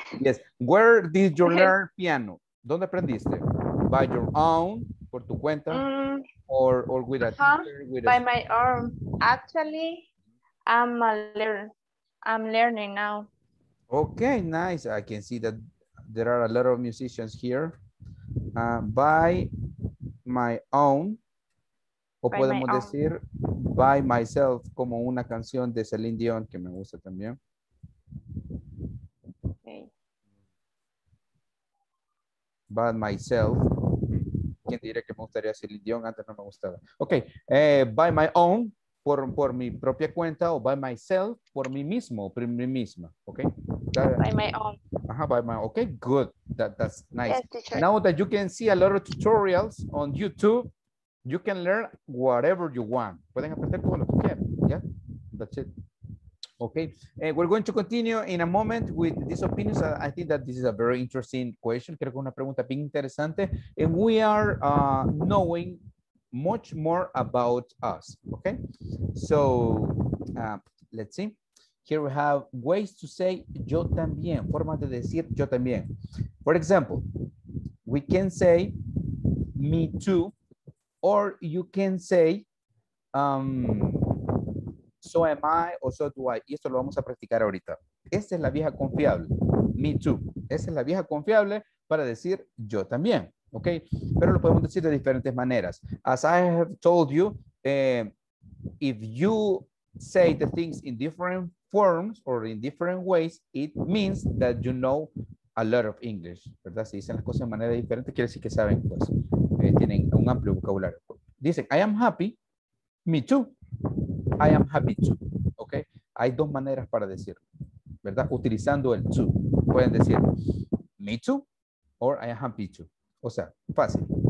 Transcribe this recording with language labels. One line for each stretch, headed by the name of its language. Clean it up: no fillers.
English: Yes. Where did you learn piano?
Spanish: ¿Dónde aprendiste?
English: By your own,
Spanish: por tu cuenta,
English: or with a teacher? By my own. Actually, I'm learning now. Okay, nice. I can see that there are a lot of musicians here. By my own,
Spanish: o podemos decir,
English: by myself,
Spanish: como una canción de Celine Dion, que me gusta también.
English: By myself.
Spanish: ¿Quién diría que me gustaría hacer el idioma? Antes no me gustaba. Ok.
English: By my own,
Spanish: por mi propia cuenta, o
English: by myself,
Spanish: por mí mismo, por mí misma.
English: Ok. By my own. Ajá, by my own. Ok, good. That's nice. Yes, teacher. Now that you can see a lot of tutorials on YouTube, you can learn whatever you want.
Spanish: Pueden aprender todo lo que quieran.
English: Yeah, that's it. Okay, we're going to continue in a moment with these opinions. I think that this is a very interesting question.
Spanish: Creo que es una pregunta bien interesante.
English: And we are knowing much more about us. Okay, so let's see. Here we have ways to say
Spanish: yo también, formas de decir yo también.
English: For example, we can say me too, or you can say so am I o so do I.
Spanish: Y esto lo vamos a practicar ahorita. Esta es la vieja confiable.
English: Me too.
Spanish: Esa es la vieja confiable para decir yo también. Ok. Pero lo podemos decir de diferentes maneras.
English: As I have told you, if you say the things in different forms or in different ways, it means that you know a lot of English.
Spanish: ¿Verdad? Si dicen las cosas de manera diferente, quiere decir que saben, pues, tienen un amplio vocabulario.
English: Dicen, I am happy. Me too. I am happy too. Ok.
Spanish: Hay dos maneras para decirlo, ¿verdad? Utilizando el too. Pueden decir
English: me too or I am happy too.
Spanish: O sea, fácil.